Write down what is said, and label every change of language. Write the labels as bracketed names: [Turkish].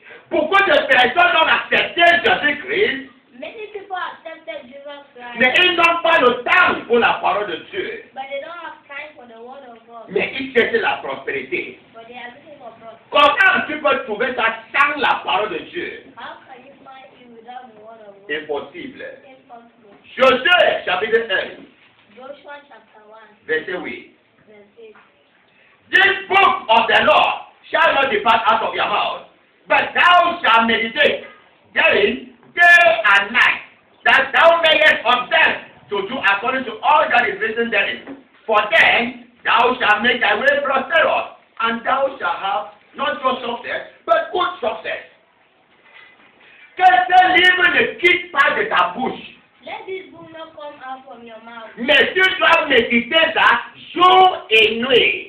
[French] Beaucoup de personnes ont accepté Jésus-Christ, mais ils n'ont pas le temps pour la parole de Dieu. [English] But they don't have time for the word of God. [French] Mais ils cherchent la prospérité. [English] But they are looking for prosperity. [French] Comment tu peux trouver ça sans la parole de Dieu? [English] How can you find it without the word of God? [French] Impossible. [English] Impossible. [French] Josué, chapitre 1. [English] Joshua, chapter 1. [French] Verset 8. [English] Verse 8. This book of the law shall not depart out of your mouth. But thou shalt meditate therein day and night, that thou mayest observe to do according to all that is written therein. For then thou shalt make thy way prosperous, and thou shalt have not just success, but good success. [French] Que ce livre ne quitte pas de ta bouche. [English] Let this book not come out from your mouth. [French] Mais tu dois méditer ça jour et nuit.